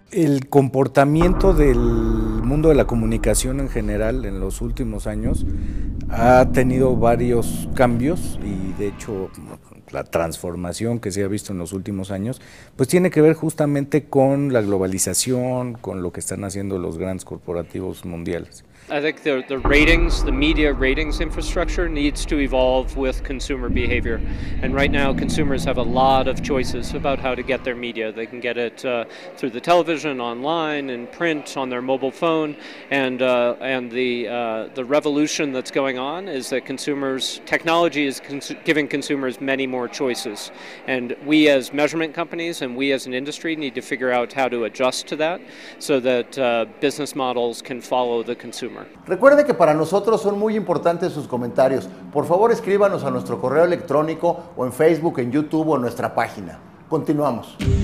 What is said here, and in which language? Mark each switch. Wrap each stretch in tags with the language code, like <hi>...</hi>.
<es>El comportamiento del mundo de la comunicación en general en los últimos años ha tenido varios cambios y de hecho la transformación que se ha visto en los últimos años, pues tiene que ver justamente con la globalización, con lo que están haciendo los grandes corporativos mundiales.</es> <en>I think the ratings, the media ratings infrastructure needs to evolve with consumer behavior. And right now, consumers have a lot of choices about how to get their media. They can get it through the television, online, in print, on their mobile phone. And the revolution that's going on is that technology is giving consumers many more choices. And we as measurement companies and we as an industry need to figure out how to adjust to that so that business models can follow the consumer.</en> <es>Recuerde que para nosotros son muy importantes sus comentarios. Por favor, escríbanos a nuestro correo electrónico o en Facebook, en YouTube o en nuestra página. Continuamos.</es>